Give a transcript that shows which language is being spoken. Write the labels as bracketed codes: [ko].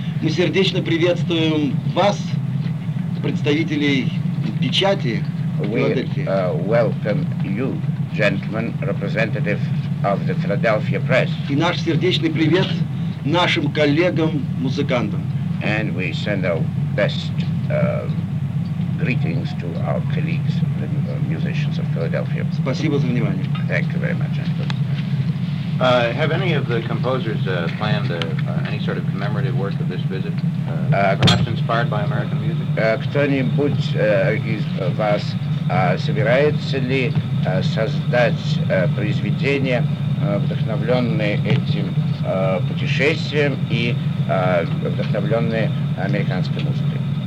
[ru] Мы сердечно приветствуем вас, представителей печати Филадельфии. [en] We welcome you, gentlemen, representative of the Philadelphia Press. [ru] И наш сердечный привет нашим коллегам-музыкантам. [en] And we send our best greetings to our colleagues, the musicians of Philadelphia. [ru] Спасибо за внимание. [en] Thank you very much, gentlemen. Have any of the composers planned any sort of commemorative work of this visit, perhaps inspired by American music? [ru] Кто-нибудь из вас собирается ли создать произведение, вдохновленное этим путешествием и вдохновленное американской музыкой?